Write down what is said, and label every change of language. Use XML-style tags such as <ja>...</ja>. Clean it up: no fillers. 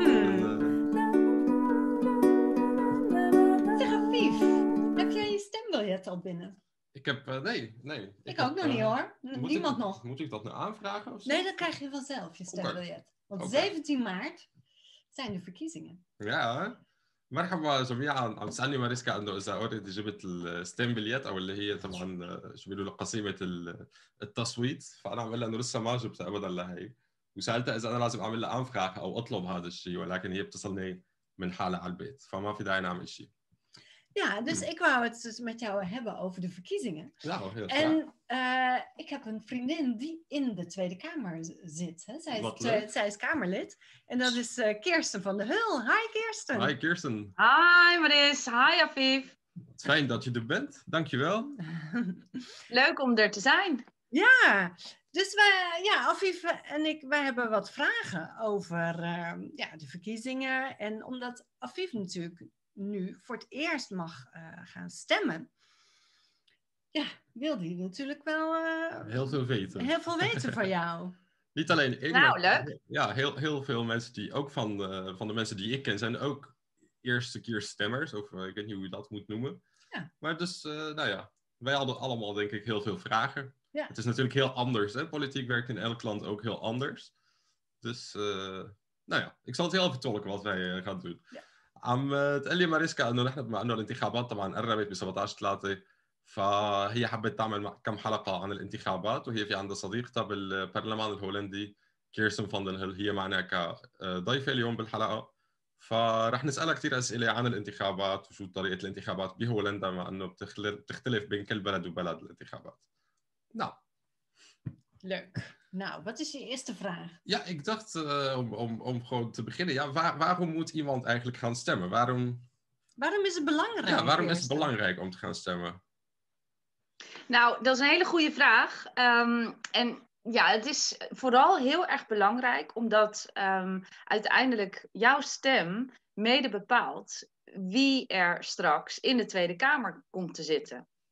<nl>En, Zeg, Afif, heb jij je stembiljet al binnen? Ik heb, nee. Ik ook nog niet hoor, niemand nog. Moet ik dat nu aanvragen of zo? Nee, dat krijg je wel zelf, je stembiljet. Want 17 maart zijn de verkiezingen.</nl> <ar>Ja, مرحبا جميعا عم تسألني ماريسكا انه اذا اوريدي جبت الستيمبليت او اللي هي طبعا شو بيقولوا قسيمه التصويت فانا عم بقول لها انه لسه ما جبتها ابدا لهي وسالتها اذا انا لازم اعمل لها انفراغ او اطلب هذا الشيء ولكن هي بتصلني من حالها على البيت فما في داعي نعمل شيء.</ar> <nl>Ja, dus ik wou het dus met jou hebben over de verkiezingen. Ja, heel graag. En ik heb een vriendin die in de Tweede Kamer zit. Hè. Zij is Kamerlid. En dat is Kirsten van de Hul. Hi Kirsten. Hi Kirsten. Hi Maris. Hi Afif. Fijn dat je er bent. Dankjewel. Leuk om er te zijn. Ja, dus wij, ja, Afif en ik, wij hebben wat vragen over de verkiezingen. En omdat Afif natuurlijk nu voor het eerst mag gaan stemmen. Ja, wilde je natuurlijk wel heel veel weten. Heel veel weten van jou. Niet alleen ik. Nou, leuk. Ja, heel veel mensen die ook van de mensen die ik ken zijn ook eerste keer stemmers. Of ik weet niet hoe je dat moet noemen. Ja. Maar dus, wij hadden allemaal denk ik heel veel vragen. Ja. Het is natuurlijk heel anders. Hè? Politiek werkt in elk land ook heel anders. Dus, ik zal het heel even tolken wat wij gaan doen. Ja.</nl> <ar>عم تقول لي ماريسكا انه نحن بما انه الانتخابات طبعا قربت ب 17/3 فهي حبت تعمل كم حلقه عن الانتخابات وهي في عندها صديقتها بالبرلمان الهولندي كيرسن فان دن هيل هي معنا كضيفه اليوم بالحلقه فرح نسالها كثير اسئله عن الانتخابات وشو طريقه الانتخابات بهولندا مع انه بتختلف بين كل بلد وبلد الانتخابات. نعم. لك.</ar> <nl>Nou, wat is je eerste vraag? Ja, ik dacht om gewoon te beginnen. Ja, waarom moet iemand eigenlijk gaan stemmen? Waarom is het belangrijk? Ja, waarom is het belangrijk om te gaan stemmen? Nou, dat is een hele goede vraag. En ja, het is vooral heel erg belangrijk, omdat uiteindelijk jouw stem mede bepaalt wie er straks in de Tweede Kamer komt te zitten.</nl>